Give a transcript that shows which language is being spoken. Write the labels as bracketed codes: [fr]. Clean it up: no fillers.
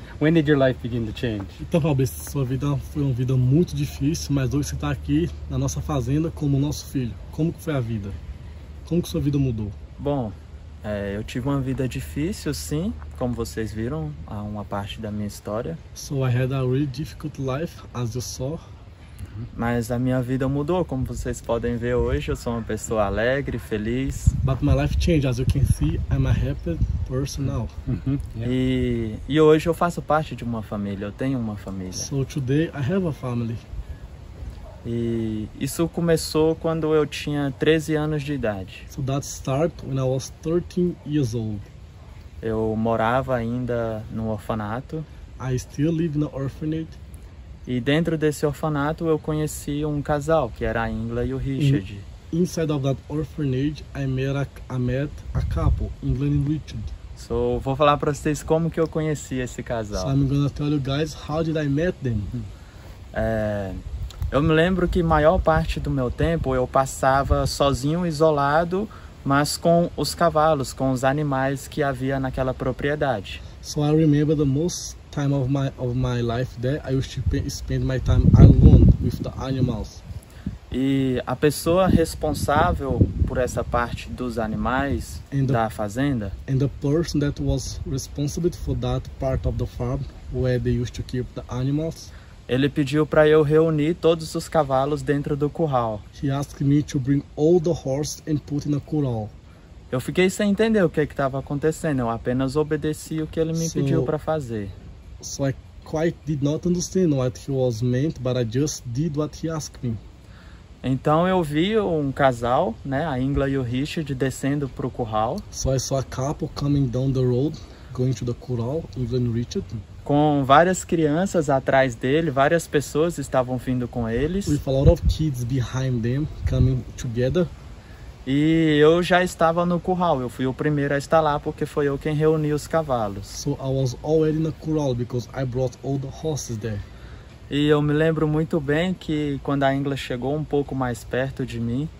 [en] When did your life begin to change? [pt] Então, Fabrício, sua vida foi uma vida muito difícil, mas hoje você está aqui na nossa fazenda como nosso filho. Como que foi a vida? Como que sua vida mudou? Bom, eu tive uma vida difícil, sim, como vocês viram, há uma parte da minha história. [en] So I had a really difficult life, as you saw. [pt] Mas a minha vida mudou, como vocês podem ver hoje, eu sou uma pessoa alegre, feliz. [en] But my life changed, as you can see, I'm a happy person now. [pt] E hoje eu faço parte de uma família, eu tenho uma família. [en] So today I have a family. [pt] E isso começou quando eu tinha 13 anos de idade. [en] So that started when I was 13 years old. [pt] Eu morava ainda no orfanato. [en] I still live in the orphanage. [pt] E dentro desse orfanato eu conheci um casal, que era a Ingla e o Richard. [en] Inside of that orphanage, I met a couple, Ingla and Richard. [pt] So, vou falar para vocês como que eu conheci esse casal. [en] So I'm gonna tell you guys how did I met them. [pt] Eu me lembro que maior parte do meu tempo eu passava sozinho, isolado, mas com os cavalos, com os animais que havia naquela propriedade. [en] So I remember the most time of my life there, I used to spend my time alone with the animals. [pt] E a pessoa responsável por essa parte dos animais da fazenda? [en] And the person that was responsible for that part of the farm where they used to keep the animals. [pt] Ele pediu para eu reunir todos os cavalos dentro do curral. [en] He asked me to bring all the horses and put in a corral. [pt] Eu fiquei sem entender o que estava acontecendo. Eu apenas obedeci o que ele me pediu para fazer. [en] So I quite did not understand what he was meant, but I just did what he asked me. [pt] Então eu vi um casal, né, a Ingla e o Richard, descendo para o curral. [en] So I saw a couple coming down the road, going to the corral, Ingla and Richard. [pt] Com várias crianças atrás dele, várias pessoas estavam vindo com eles. [en] With a lot of kids behind them, coming together. [pt] E eu já estava no curral, eu fui o primeiro a estar lá porque foi eu quem reuni os cavalos. [en] So I was already in the corral because I brought all the horses there. [pt] E eu me lembro muito bem que quando a Ingla chegou um pouco mais perto de mim,